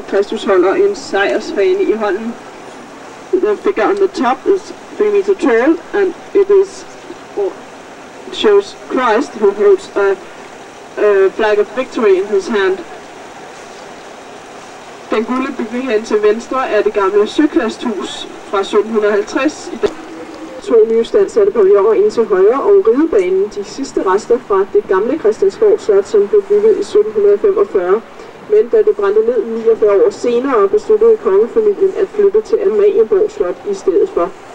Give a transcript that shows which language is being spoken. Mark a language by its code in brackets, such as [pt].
[da] Kristus holder en sejrsfane i hånden. [en] The figure on the top is 3 meter tall and it is shows Christ who holds a flag of victory in his hand. [da] Den gule bygning hen til venstre er det gamle søklasthus fra 1750. To nye standsatte pavilloner ind til højre og ridebanen, de sidste rester fra det gamle Christiansborg slot, som blev bygget i 1745. Men da det brændte ned 49 år senere, besluttede kongefamilien at flytte til Amalienborg slot i stedet for.